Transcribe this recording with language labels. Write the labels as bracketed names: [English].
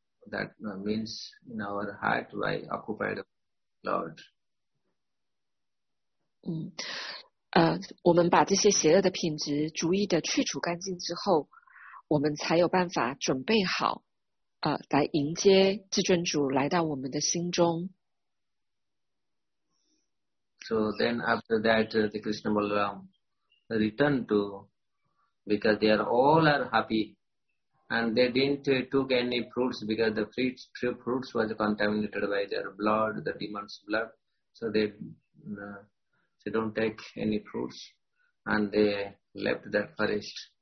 [English] That means in our heart, by occupied Lord. [Chinese] 我们把这些邪恶的品质逐一的去除干净之后，我们才有办法准备好。来迎接至尊主来到我们的心中。So [English] then after that, the Krishna Balaram returned to, because they are all are happy, and they didn't took any fruits because the fruits was contaminated by their blood, the demon's blood. So they don't take any fruits, and they left that forest.